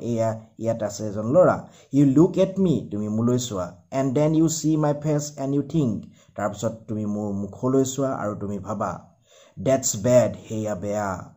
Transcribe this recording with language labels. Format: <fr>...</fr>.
<as>এয়া ইয়াত আছে এজন ল'ৰা</as> <en>You look at me.</en> <as>তুমি মোলৈ চোৱা</as> <en>And then you see my face and you think.</en> <as>তাৰপিছত তুমি মোৰ মুখলৈ চোৱা আৰু তুমি ভাবা</as> <en>That's bad, heya bea.</en>